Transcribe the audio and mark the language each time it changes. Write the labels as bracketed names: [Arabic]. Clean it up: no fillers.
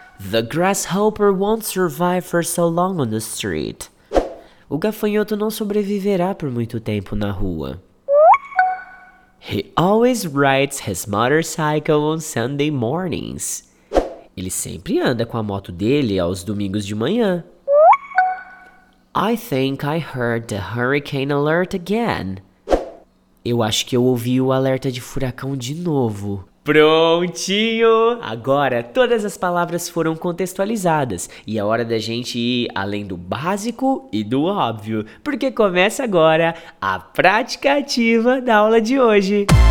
[English] The grasshopper won't survive for so long on the street. [Portuguese] O gafanhoto não sobreviverá por muito tempo na rua. [English] He always rides his motorcycle on Sunday mornings. [Portuguese] Ele sempre anda com a moto dele aos domingos de manhã. [English] I think I heard the hurricane alert again. [Portuguese] Eu acho que eu ouvi o alerta de furacão de novo. Prontinho! Agora todas as palavras foram contextualizadas e é hora da gente ir além do básico e do óbvio, porque começa agora a prática ativa da aula de hoje.